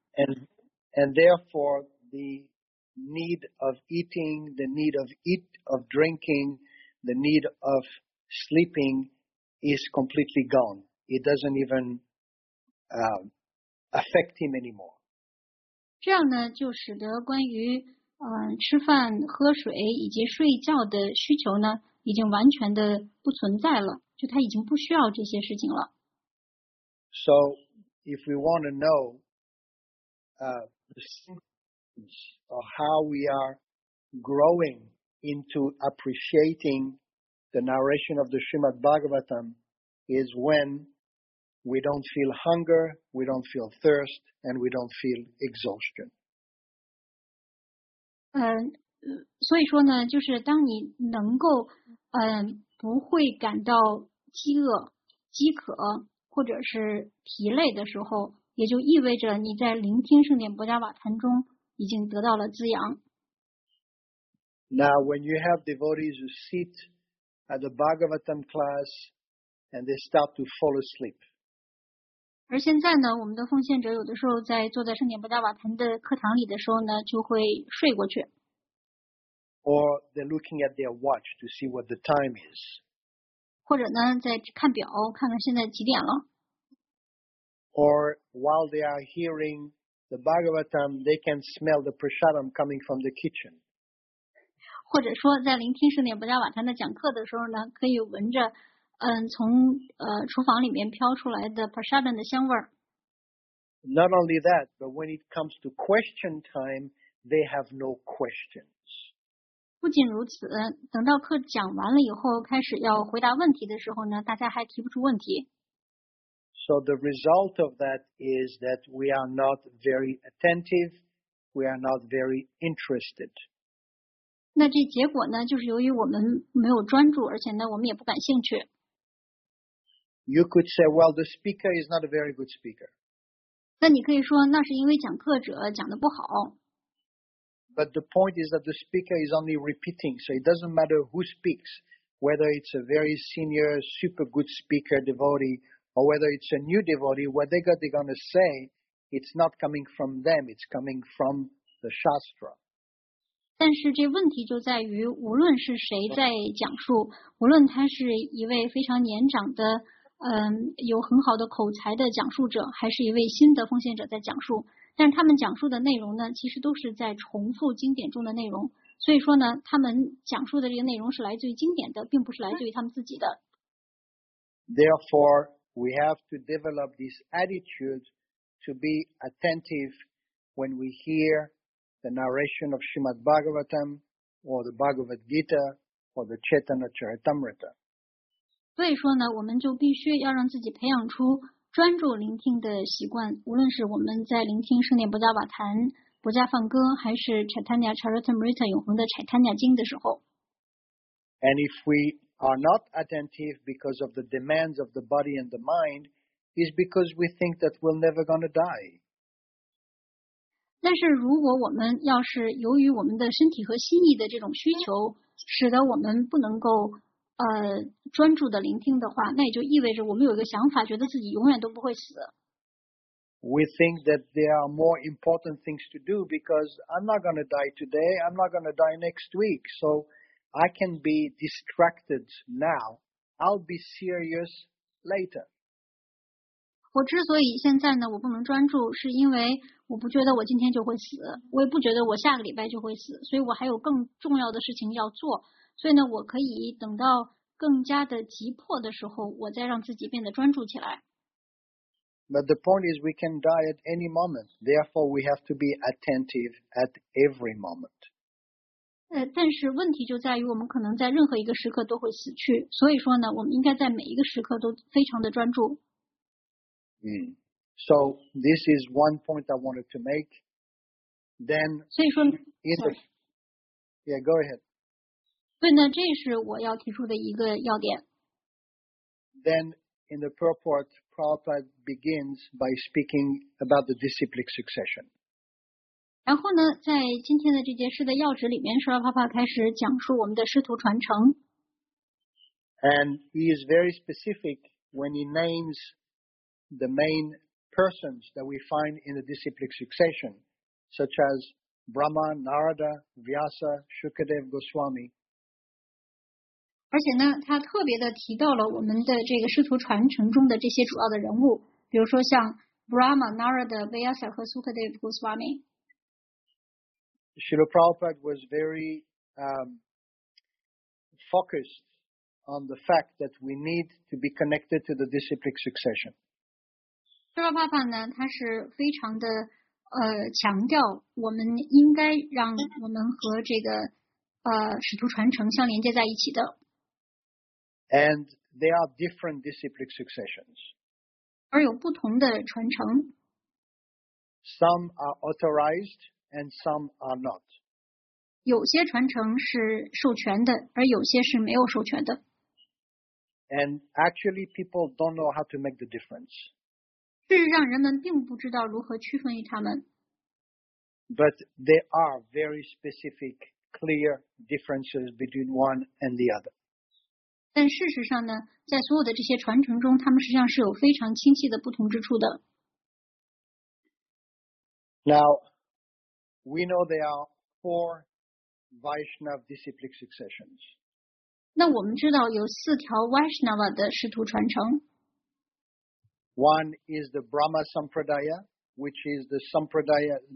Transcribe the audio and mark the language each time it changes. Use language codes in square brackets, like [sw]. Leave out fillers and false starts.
[en] And therefore the need of eating, the need of drinking, the need of sleeping is completely gone. It doesn't even affect him anymore. [zh] 这样呢，就使得关于吃饭、喝水以及睡觉的需求呢，已经完全的不存在了。就他已经不需要这些事情了。 [en] So, if we want to know the symptoms of how we are growing into appreciating the narration of the Srimad Bhagavatam, is when We don't feel hunger, we don't feel thirst, and we don't feel exhaustion. [zh] 所以说呢，就是当你能够不会感到饥饿、饥渴或者是疲累的时候，也就意味着你在聆听圣典薄伽瓦坛中已经得到了滋养。 [en] Now, when you have devotees who sit at the Bhagavatam class and they start to fall asleep. [zh] 而现在呢，我们的奉献者有的时候在坐在圣典薄伽瓦坛的课堂里的时候呢，就会睡过去。 [en] Or they're looking at their watch to see what the time is. [zh] 或者呢，在看表，看看现在几点了。 [en] Or while they are hearing the Bhagavatam, they can smell the prasadam coming from the kitchen. [zh] 或者说，在聆听圣典薄伽瓦坛的讲课的时候呢，可以闻着。从厨房里面飘出来的 prasadam 的香味。 [en] Not only that, but when it comes to question time, they have no questions. [zh] 不仅如此，等到课讲完了以后，开始要回答问题的时候呢，大家还提不出问题。 [en] So the result of that is that we are not very attentive, we are not very interested. [zh] 那这结果呢，就是由于我们没有专注，而且呢，我们也不感兴趣。 [en] You could say, well, the speaker is not a very good speaker. [zh] 那你可以说那是因为讲课者讲得不好。 [en] But the point is that the speaker is only repeating, so it doesn't matter who speaks, whether it's a very senior, super good speaker, devotee, or whether it's a new devotee, what they're going to say, it's not coming from them, it's coming from the Shastra. [zh] 但是这问题就在于，无论是谁在讲述，无论他是一位非常年长的，有很好的口才的讲述者，还是一位新的奉献者在讲述，但是他们讲述的内容呢，其实都是在重复经典中的内容。所以说呢，他们讲述的这个内容是来自于经典的，并不是来自于他们自己的。 [en] Therefore, we have to develop this attitude to be attentive when we hear. The narration of Srimad Bhagavatam, or the Bhagavad Gita, or the Chaitanya Charitamrita. [zh] 所以说呢，我们就必须要让自己培养出专注聆听的习惯。无论是我们在聆听圣典薄伽瓦坛、薄伽梵歌，还是 Chaitanya Charitamrita 永恒的 Chaitanya 经的时候。 [en] And if we are not attentive because of the demands of the body and the mind, is because we think that we're never going to die. [zh] 但是如果我们要是由于我们的身体和心意的这种需求使得我们不能够专注的聆听的话，那也就意味着我们有一个想法，觉得自己永远都不会死。 [en] We think that there are more important things to do because I'm not going to die today. I'm not going to die next week. So I can be distracted now. I'll be serious later. [zh] 我之所以现在呢，我不能专注，是因为我不觉得我今天就会死，我也不觉得我下个礼拜就会死，所以我还有更重要的事情要做。所以呢，我可以等到更加的急迫的时候，我再让自己变得专注起来。 [en] But the point is, we can die at any moment. Therefore, we have to be attentive at every moment. [zh] 但是问题就在于，我们可能在任何一个时刻都会死去。所以说呢，我们应该在每一个时刻都非常的专注。 [en] So this is one point I wanted to make. Then, [zh] 所以说 [en] go ahead. [zh] 对呢，这是我要提出的一个要点。 [en] Then, in the purport, Prabhupada begins by speaking about the disciplic succession. [zh] 然后呢，在今天的这节师的要旨里面，释迦牟尼佛开始讲述我们的师徒传承。 [en] And he is very specific when he names. The main persons that we find in the disciplic succession, such as Brahma, Narada, Vyasa, Shukadev, Goswami. [zh] 而且呢，他特别的提到了我们的这个师徒传承中的这些主要的人物，比如说像 Brahma, Narada, Vyasa 和 Shukadev, Goswami. [en] Srila Prabhupada was very focused on the fact that we need to be connected to the disciplic succession. [zh] 释迦牟尼佛呢，他是非常的强调，我们应该让我们和这个使徒传承相连接在一起的。 [en] And there are different disciplic successions. [zh] 而有不同的传承。 [en] Some are authorized and some are not. [zh] 有些传承是授权的，而有些是没有授权的。 [en] And actually, people don't know how to make the difference. [zh] 这是让人们并不知道如何区分于他们。 [en] But there are very specific, clear differences between one and the other. [zh] 但事实上呢，在所有的这些传承中，他们实际上是有非常清晰的不同之处的。 [en] Now, we know there are four Vaishnava disciplic successions. [zh] 那我们知道有四条 Vaishnava 的师徒传承。 [en] One is the Brahma Sampradaya, which is the Sampradaya.